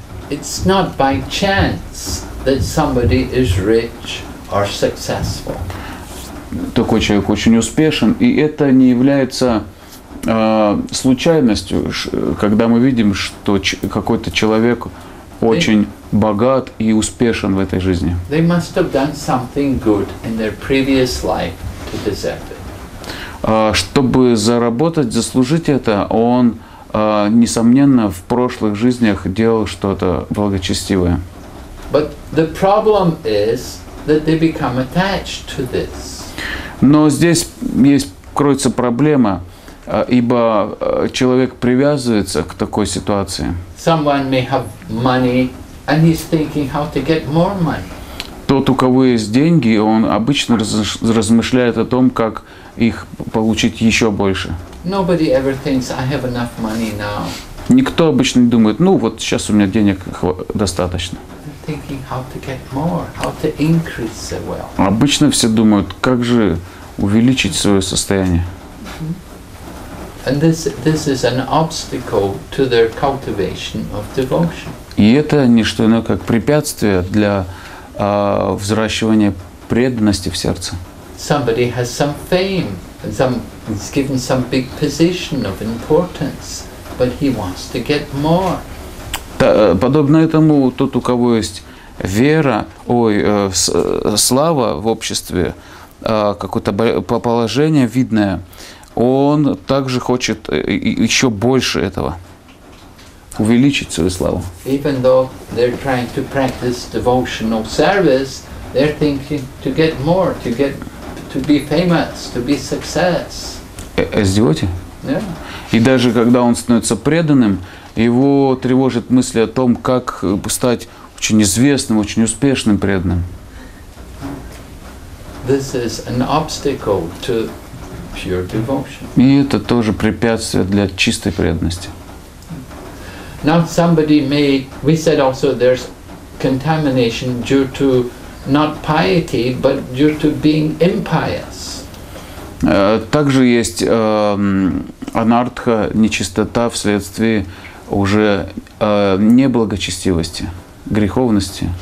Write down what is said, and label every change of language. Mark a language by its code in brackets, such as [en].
[en] It's not by chance that somebody is rich or successful. [ru] Такой человек очень успешен, и это не является случайностью, когда мы видим, что какой-то человек очень богат и успешен в этой жизни. [en] They must have done something good in their previous life to deserve it. [ru] Чтобы заработать, заслужить это, он, несомненно, в прошлых жизнях делал что-то благочестивое. [en] But the problem is that they become attached to this. [ru] Но здесь есть, кроется проблема, ибо человек привязывается к такой ситуации. [en] Someone may have money, and he's thinking how to get more money. [ru] Тот, у кого есть деньги, он обычно размышляет о том, как их получить еще больше. [en] Nobody ever thinks I have enough money now. [ru] Никто обычно не думает, ну вот сейчас у меня денег достаточно. [en] Thinking how to get more, how to increase the wealth. [ru] Обычно все думают, как же увеличить свое состояние. [en] And this is an obstacle to their cultivation of devotion. [ru] И это не что иное, как препятствие для взращивания преданности в сердце. [en] Somebody has some fame, he's given some big position of importance, but he wants to get more. [ru] Подобно этому, тот, у кого есть слава в обществе, какое-то положение видное, он также хочет еще больше этого, увеличить свою славу. [en] Even though they're trying to practice devotional service, they're thinking to get more, to be famous, to be success. Эс-девоти? Yeah. [ru] И даже когда он становится преданным, его тревожит мысли о том, как стать очень известным, очень успешным преданным. [en] this is an obstacle to pure devotion. [ru] И это тоже препятствие для чистой преданности. [en] Now somebody may, we said also there's contamination due to not piety, but due to being impious. [ru] Также есть анартха, нечистота вследствие уже неблагочестивости, греховности.